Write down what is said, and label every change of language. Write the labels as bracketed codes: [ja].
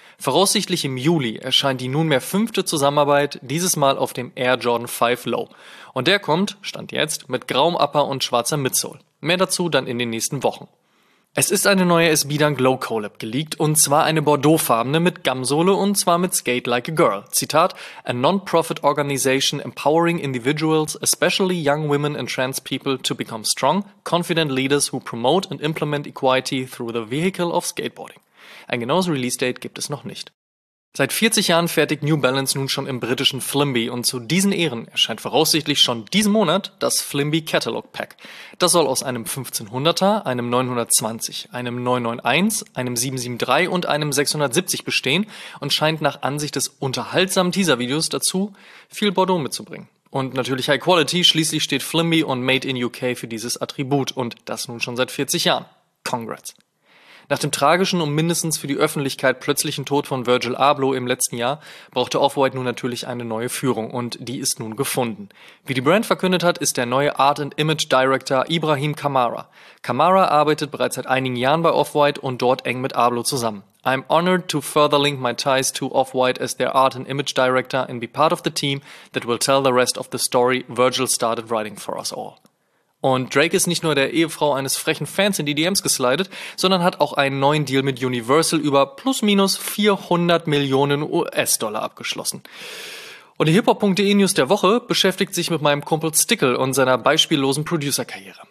[de] Voraussichtlich im Juli erscheint die nunmehr fünfte Zusammenarbeit, dieses Mal auf dem Air Jordan 5 Low. Und der kommt, Stand jetzt, mit grauem Upper und schwarzer Midsole. Mehr dazu dann in den nächsten Wochen. Es ist eine neue SB Dunk Low Collab geleakt, und zwar eine Bordeaux-farbene mit Gamsole und zwar mit Skate Like a Girl. [en] Zitat, a non-profit organization empowering individuals, especially young women and trans people, to become strong, confident leaders who promote and implement equality through the vehicle of skateboarding. [de] Ein genaues Release-Date gibt es noch nicht. Seit 40 Jahren fertigt New Balance nun schon im britischen Flimby und zu diesen Ehren erscheint voraussichtlich schon diesen Monat das Flimby Catalog Pack. Das soll aus einem 1500er, einem 920, einem 991, einem 773 und einem 670 bestehen und scheint nach Ansicht des unterhaltsamen Teaser-Videos dazu viel Bordeaux mitzubringen. Und natürlich High Quality, schließlich steht Flimby und Made in UK für dieses Attribut und das nun schon seit 40 Jahren. Congrats! Nach dem tragischen und mindestens für die Öffentlichkeit plötzlichen Tod von Virgil Abloh im letzten Jahr brauchte Off-White nun natürlich eine neue Führung und die ist nun gefunden. Wie die Brand verkündet hat, ist der neue Art and Image Director Ibrahim Kamara. Kamara arbeitet bereits seit einigen Jahren bei Off-White und dort eng mit Abloh zusammen. [en] I'm honored to further link my ties to Off-White as their Art and Image Director and be part of the team that will tell the rest of the story Virgil started writing for us all. [de] Und Drake ist nicht nur der Ehefrau eines frechen Fans in die DMs geslidet, sondern hat auch einen neuen Deal mit Universal über plus minus 400 Millionen US-Dollar abgeschlossen. Und die hiphop.de-News der Woche beschäftigt sich mit meinem Kumpel Stickle und seiner beispiellosen Producer-Karriere.